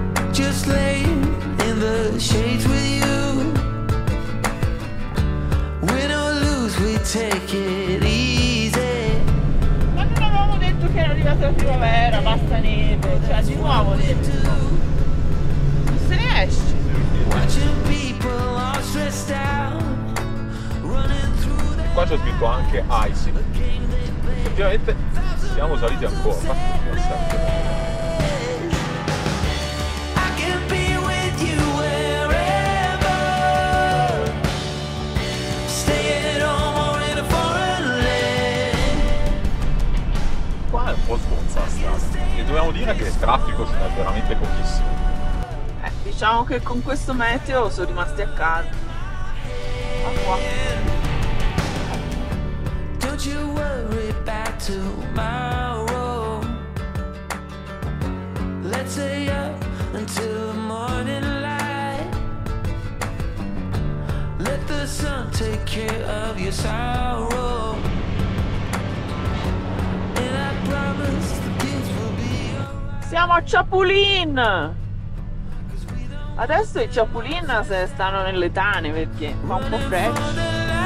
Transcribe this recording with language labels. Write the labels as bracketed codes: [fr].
[en] Just lay in the shade with you. Win or lose, we take it easy. [it] Ma non avevamo detto che era arrivata la primavera, basta neve, cioè di nuovo detto. Qua c'è scritto anche icy. Effettivamente siamo saliti ancora. Qua è un po' sbonza strada. E dobbiamo dire che il traffico c'è veramente pochissimo. Diciamo che con questo meteo sono rimasti a casa. Acqua. [en] Don't you worry about tomorrow. Let's stay up until morning light. Let the sun take care of your sorrow. And I promise the kids will be alright. [it] Siamo a Chapulín! Adesso i Chapulín se stanno nelle tane perché fa un po' freddo.